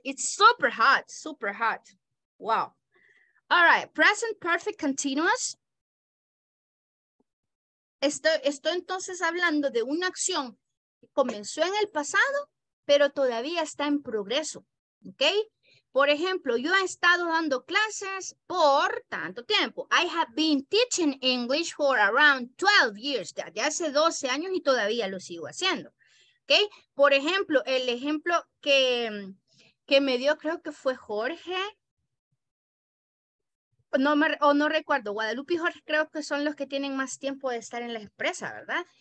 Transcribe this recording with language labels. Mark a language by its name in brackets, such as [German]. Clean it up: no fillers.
[English] It's super hot, super hot. Wow. All right, present perfect continuous. [Spanish] Estoy entonces hablando de una acción que comenzó en el pasado, pero todavía está en progreso, ¿ok? Por ejemplo, yo he estado dando clases por tanto tiempo. [English] I have been teaching English for around 12 years. [Spanish] Ya hace 12 años y todavía lo sigo haciendo, ¿ok? Por ejemplo, el ejemplo que me dio creo que fue Jorge. No recuerdo. Guadalupe y Jorge creo que son los que tienen más tiempo de estar en la empresa, ¿verdad?